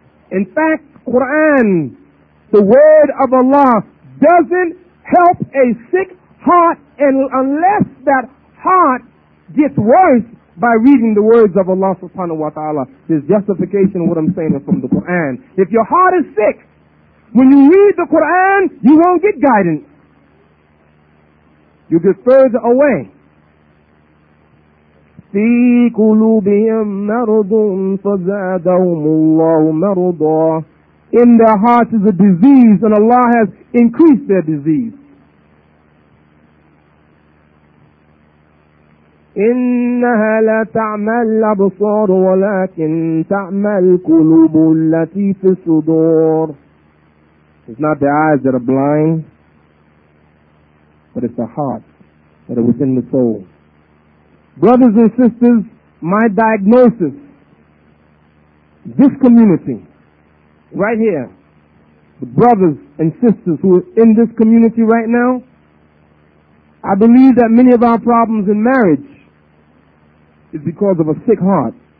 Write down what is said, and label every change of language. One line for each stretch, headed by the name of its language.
English: In fact, Quran, the word of Allah, doesn't help a sick heart unless that heart gets worse by reading the words of Allah subhanahu wa ta'ala. There's justification of what I'm saying is from the Quran. If your heart is sick, when you read the Quran, you won't get guidance. You get further away.
Arabic: في قلوبهم مرض فزادهم الله مرضا.
English: In their hearts is a disease, and Allah has increased their disease.
Arabic: إنها لتعمى الأبصار ولكن تعمى القلوب التي في الصدور.
English: It's not the eyes that are blind, but it's the heart that are within the soul. Brothers and sisters, my diagnosis This community, right here, the brothers and sisters who are in this community right now, I believe that many of our problems in marriage is because of a sick heart.